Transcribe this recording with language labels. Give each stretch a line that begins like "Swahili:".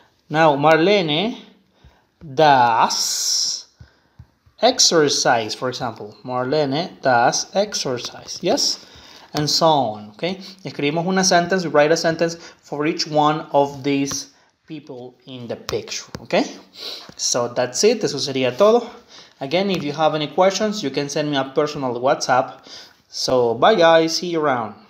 English: Now, Marlene does exercise, for example. Marlene does exercise, yes? And so on, okay?
Spanish: Escribimos una sentence,
English: we write a sentence for each one of these people in the picture, okay? So that's it,
Spanish: eso sería todo.
English: Again, if you have any questions, you can send me a personal WhatsApp. So, bye guys, see you around.